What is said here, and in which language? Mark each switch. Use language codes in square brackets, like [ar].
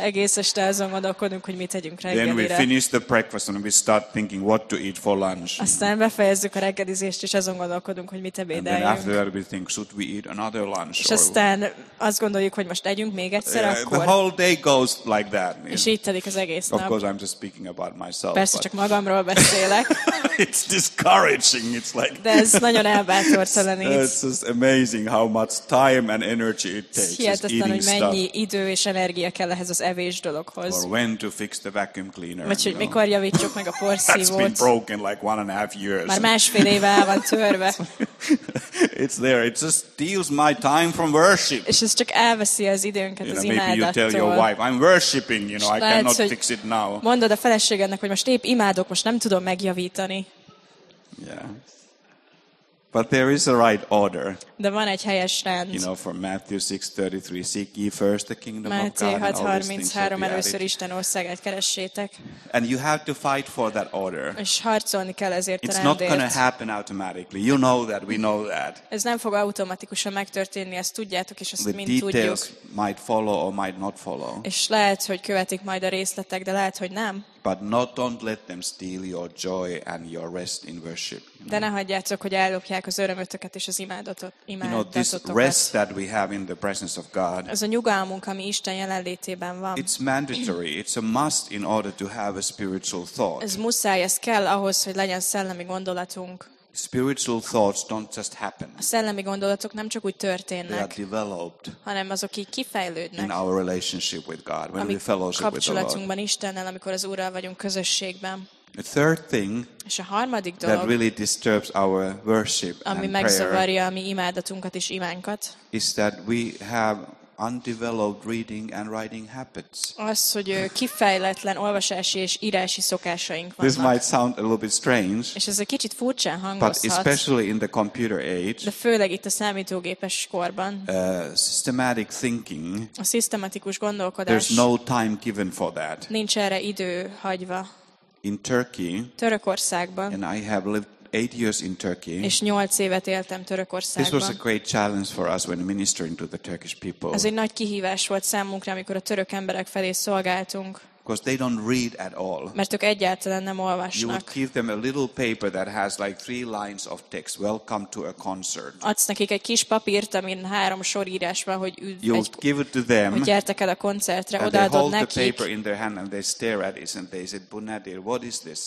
[hu] Egész este azon gondolkodunk, hogy mit tegyünk reggelire. [en] Then we finish the breakfast and we start thinking what to eat for lunch. [hu] Aztán befejezzük a reggelizést, és azon gondolkodunk, hogy mit ebédeljünk. [en] And then after that we think, should we eat another lunch? [hu] És aztán azt gondoljuk, hogy most tegyünk még egyszer akkor. [en] The whole day goes like that. [hu] És így telik az egész nap. [en] Of course I'm just speaking about myself. [hu] Persze csak magamról beszélek. [en] It's discouraging. It's like. [hu] De ez nagyon elbátortalanít. [en] It's just amazing how much time and energy it takes. [hu] Hihetetlen, hogy mennyi idő és energia kell ehhez az evés dologhoz. [en] Or when to fix the vacuum cleaner. [hu] Vagy hogy mikor javítjuk meg a porszívót. [en] That's been broken like 1.5 years. [hu] Már másfél éve el van törve. [en] It's there. It just steals my time from worship. [hu] És ez csak elveszi az időnket, [en] you know, [hu] az imádattól. [en] Maybe you tell your wife, I'm worshiping, you know, I cannot fix it now. [hu] Mondod a feleségednek, hogy most épp imádok, most nem tudom megjavítani. [en] Yeah. But there is a right order. [hu] De van egy helyes rend. [en] You know, from Matthew 6:33, seek ye first the kingdom [hu] Matthew [en] of God. Matthew [hu] 6:33, először Isten országát keressétek. [en] And you have to fight for that order. [hu] És harcolni kell ezért a rendért. [en] It's not going to happen automatically. You know that, we know that. [hu] Ez nem fog automatikusan megtörténni, ezt tudjátok, és ezt [en] the [hu] mind tudjuk. [en] The details might follow or might not follow. [hu] És lehet, hogy követik majd a részletek, de lehet, hogy nem. [en] But not don't let them steal your joy and your rest in worship. You know? [hu] De ne hagyjátok, hogy ellopják az örömötöket és az imádatot. [en] You know, this rest that we have in the presence of God. [hu] Ez a nyugalmunk, ami Isten jelenlétében van. [en] It's mandatory. It's a must in order to have a spiritual thought. [hu] Ez muszáj, ez kell ahhoz, hogy legyen szellemi gondolatunk. [en] Spiritual thoughts don't just happen. [hu] A szellemi gondolatok nem csak úgy történnek. [en] They are developed. [hu] Hanem azok így kifejlődnek. [en] In our relationship with God, when we fellowship with the Lord. [hu] Kapcsolatunkban Istennel, amikor az Úrral vagyunk közösségben. [en] The third thing. [hu] És a harmadik dolog. [en] That really disturbs our worship and prayer. [hu] Ami megzavarja a mi imádatunkat és imánkat. [en] Is that we have undeveloped reading and writing habits. [hu] Az, hogy kifejletlen olvasási és írási szokásaink vannak. [en] This might sound a little bit strange. [hu] És ez egy kicsit furcsán hangozhat. [en] But especially in the computer age. [hu] De főleg itt a számítógépes korban. [en] Systematic thinking. [hu] A szisztematikus gondolkodás. [en] There's no time given for that. [hu] Nincs erre idő hagyva. [en] In Turkey. [hu] Törökországban. [en] And I have lived 8 years in Turkey. [hu] És 8 évet éltem Törökországban. [en] This was a great challenge for us when ministering to the Turkish people. [hu] Ez egy nagy kihívás volt számunkra, amikor a török emberek felé szolgáltunk. [en] Because they don't read at all. [hu] Mert ők egyáltalán nem olvasnak. [en] You would give them a little paper that has like 3 lines of text. Welcome to a concert. [hu] Adsz nekik egy kis papírt, amin 3 sor írás van, hogy üdv. [en] You give it to them. [hu] Hogy gyertek el a koncertre, [en] and [hu] odaadod [en] they hold [hu] nekik. [en] The paper in their hand and they stare at it and they say, [tr] "Bunadir, [en] what is this?"